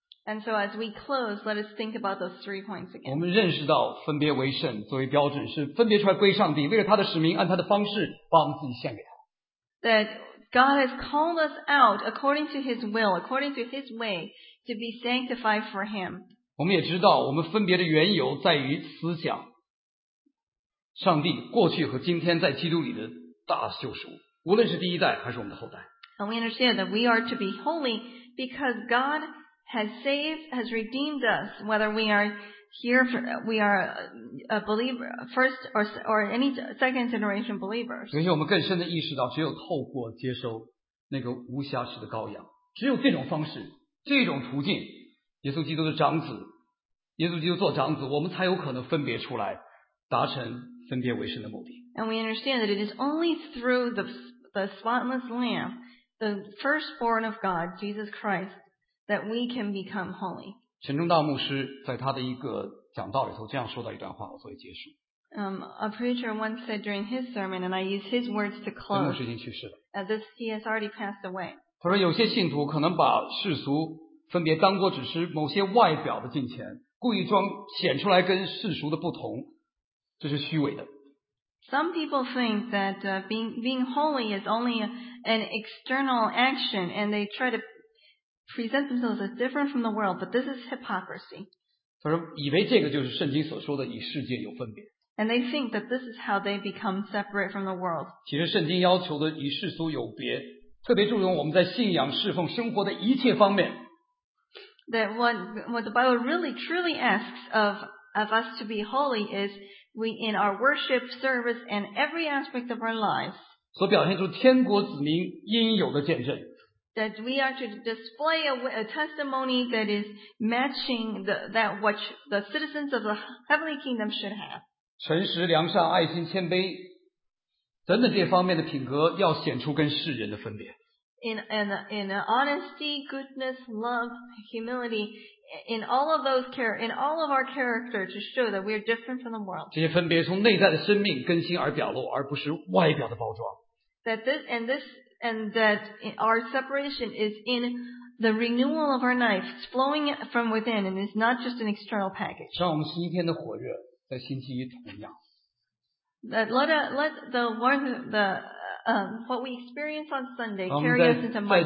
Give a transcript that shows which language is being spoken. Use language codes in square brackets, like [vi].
[en] And so as we close, let us think about those three points again. [zh] 我们认识到分别为圣作为标准是分别出来归上帝为了他的使命按他的方式把我们自己献给他。 [en] That God has called us out according to his will, according to his way, to be sanctified for him. [zh] 我们也知道我们分别的缘由在于思想上帝过去和今天在基督里的大救赎无论是第一代还是我们的后代。 [en] And we understand that we are to be holy because God has saved, has redeemed us, whether we are here, we are a believer, first or any second generation believers. [zh] 而且我们更深的意识到，只有透过接收那个无瑕疵的羔羊，只有这种方式，这种途径，耶稣基督的长子，耶稣基督做长子，我们才有可能分别出来，达成分别为圣的目的。 [en] And we understand that it is only through the spotless lamb. The firstborn of God, Jesus Christ, that we can become holy. [zh] 陈忠道牧师在他的一个讲道里头这样说到一段话，我作为结束。 [en] A preacher once said during his sermon, and I use his words to close. [zh] 陈牧师已经去世了。 [en] And this, he has already passed away. [zh] 他说有些信徒可能把世俗分别当作只是某些外表的敬虔，故意装显出来跟世俗的不同，这是虚伪的。 [en] Some people think that being holy is only an external action, and they try to present themselves as different from the world, but this is hypocrisy. [zh] 他说以为这个就是圣经所说的与世界有分别。 [en] And they think that this is how they become separate from the world. [zh] 其实圣经要求的与世俗有别，特别注重我们在信仰、侍奉、生活的一切方面。 [en] That what the Bible really truly asks of us to be holy is we in our worship, service, and every aspect of our lives. [zh] 所表现出天国子民应有的见证。 [en] That we are to display a testimony that is matching that which the citizens of the heavenly kingdom should have. [zh] 诚实、良善、爱心、谦卑等等这方面的品格要显出跟世人的分别。 [en] In honesty, goodness, love, humility, in all of our character to show that we are different from the world. [zh] 这些分别从内在的生命更新而表露，而不是外表的包装。 [en] That our separation is in the renewal of our life, flowing from within, and is not just an external package. [zh] 像我们星期天的火热在星期一同样。 [en] That let the warmth the what we experience on Sunday carry us into Monday.